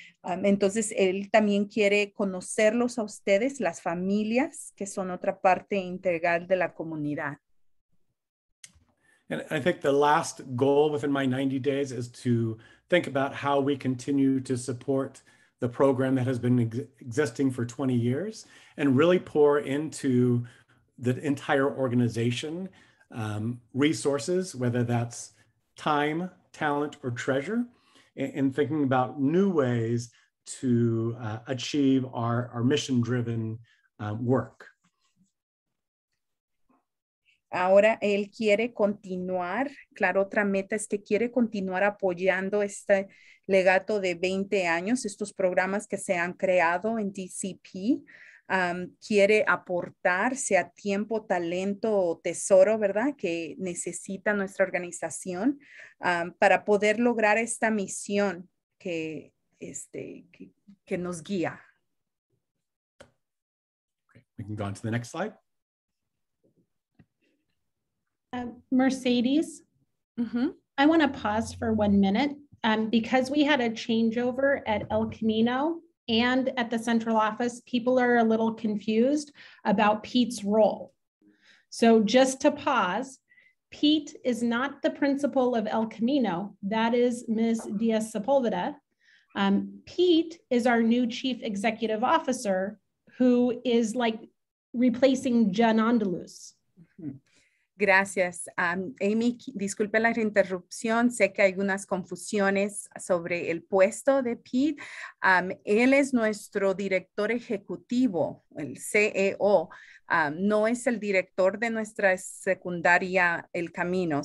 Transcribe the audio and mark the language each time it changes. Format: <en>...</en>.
<es>Entonces, él también quiere conocerlos a ustedes, las familias, que son otra parte integral de la comunidad.</es> <en>And I think the last goal within my 90 days is to think about how we continue to support the program that has been existing for 20 years and really pour into the entire organization resources, whether that's time, talent, or treasure, and thinking about new ways to achieve our mission-driven work.</en> <es>Ahora él quiere continuar, claro, otra meta es que quiere continuar apoyando este legado de 20 años, estos programas que se han creado en DCP, quiere aportar, sea tiempo, talento o tesoro, ¿verdad?, que necesita nuestra organización para poder lograr esta misión que nos guía.</es> <en>Okay. We can go on to the next slide. Mercedes, mm-hmm. I want to pause for 1 minute because we had a changeover at El Camino and at the central office. People are a little confused about Pete's role. So just to pause, Pete is not the principal of El Camino. That is Ms. Diaz-Sepulveda. Pete is our new chief executive officer who is like replacing Jen Andalus.</en> <es>Gracias. Amy, disculpe la interrupción. Sé que hay unas confusiones sobre el puesto de Pete. Él es nuestro director ejecutivo, el CEO. No es el director de nuestra secundaria El Camino.</es>